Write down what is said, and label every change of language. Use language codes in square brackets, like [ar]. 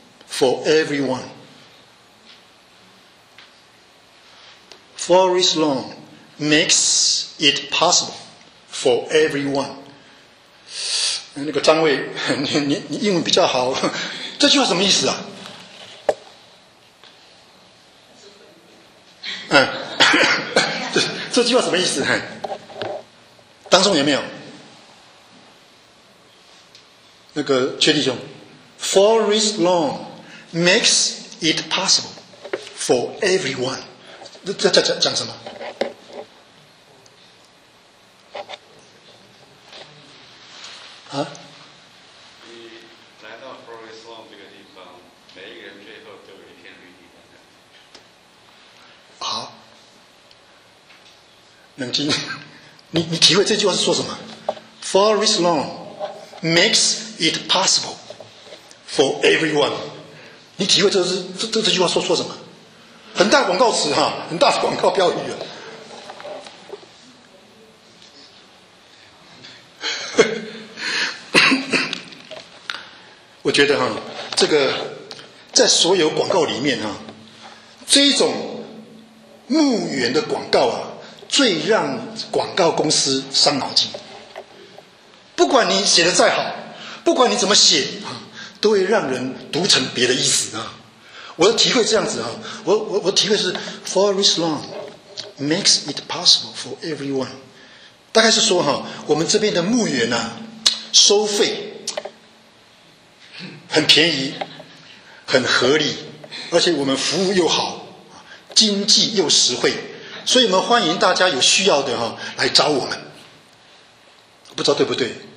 [en] For everyone, Forest Lawn makes it possible for everyone. [zh] 那个张卫，你英文比较好，这句话什么意思啊？这句话什么意思？当中有没有那个缺弟兄 ？Forest Lawn。 [en] Makes it possible for everyone. [zh] 这讲什么？啊？你来到 Forest Lawn 这个地方，每一个人最后都有一片绿地的。好，冷静。你体会这句话是说什么 ？ [en] Forest Lawn makes it possible for everyone. [zh] 你体会这句话说什么？很大广告词哈，很大的广告标语啊。我觉得哈，这个在所有广告里面哈，这种墓园的广告啊，最让广告公司伤脑筋。不管你写的再好，不管你怎么写啊，都会让人读成别的意思啊。我的体会这样子啊，我体会是 [en] Forest Lawn makes it possible for everyone。 [zh] 大概是说哈，我们这边的墓园啊，收费很便宜，很合理，而且我们服务又好，经济又实惠，所以我们欢迎大家有需要的哈来找我们。不知道对不对？